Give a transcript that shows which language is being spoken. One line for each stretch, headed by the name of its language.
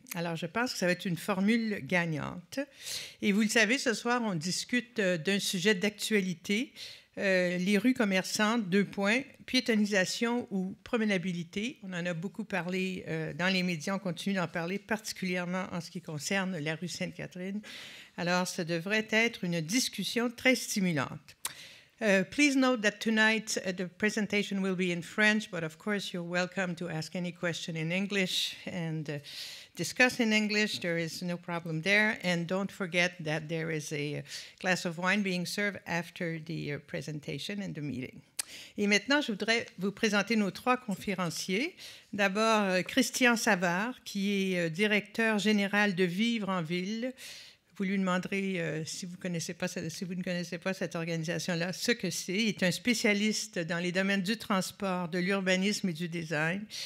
French: Alors, je pense que ça va être une formule gagnante. Et vous le savez, ce soir, on discute d'un sujet d'actualité, les rues commerçantes, deux points, piétonnisation ou promenabilité. On en a beaucoup parlé dans les médias, on continue d'en parler, particulièrement en ce qui concerne la rue Sainte-Catherine. Alors, ça devrait être une discussion très stimulante.
English: Please note that tonight the presentation will be in French, but of course you're welcome to ask any question in English and discuss in English. There is no problem there. And don't forget that there is a glass of wine being served after the presentation and the meeting.
French: Et maintenant, je voudrais vous présenter nos trois conférenciers. D'abord, Christian Savard, qui est directeur général de Vivre en Ville. Vous lui demanderez si vous ne connaissez pas cette organisation-là, ce que c'est. Il est un spécialiste dans les domaines du transport, de l'urbanisme et du design.